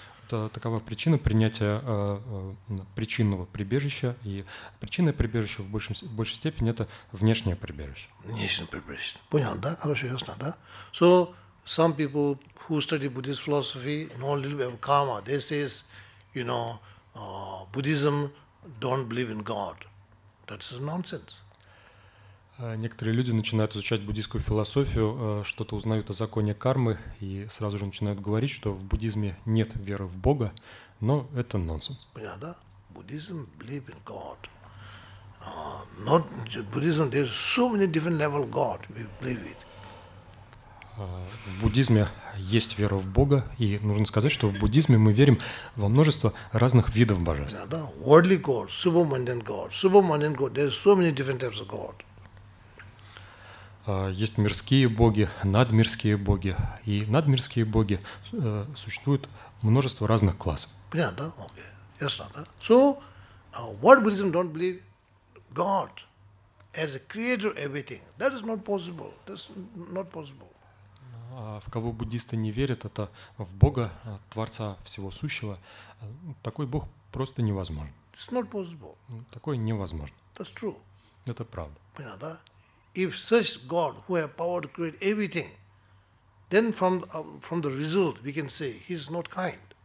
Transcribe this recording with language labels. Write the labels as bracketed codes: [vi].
[ru] Это такова причина принятия причинного прибежища. И причинное прибежище в большей степени это внешнее прибежище. Внешнее прибежище. Понял, да? Хорошо, ясно, да? [en] So, some people who study Buddhist philosophy know a little bit of karma. They say, you know, Buddhism don't believe in God. That is nonsense. [ru] Некоторые люди начинают изучать буддийскую философию, что-то узнают о законе кармы и сразу же начинают говорить, что в буддизме нет веры в Бога, но это нонсенс. Понятно, да? Буддизм [en] believe in God. Not Buddhism, there's so many different level of God we believe it. [ru] В буддизме есть вера в Бога, и нужно сказать, что в буддизме мы верим во множество разных видов божеств. Понятно, да? [en] Worldly God, supermundane God. Supermundane God, there's so many different types of God. [ru] Есть мирские боги, надмирские боги. И надмирские боги существуют множество разных классов. Понятно, да? Окей. Ясно, да? [en] So, what Buddhism don't believe? God as a creator of everything. That is not possible. That's not possible. [ru] В кого буддисты не верят, это в Бога, Творца всего сущего. Такой Бог просто невозможен. [en] It's not possible. [ru] Такой невозможен. [en] That's true. [ru] Это правда. Понятно, да? [en] If such God who has power to create everything, then from the result we can say he's not kind.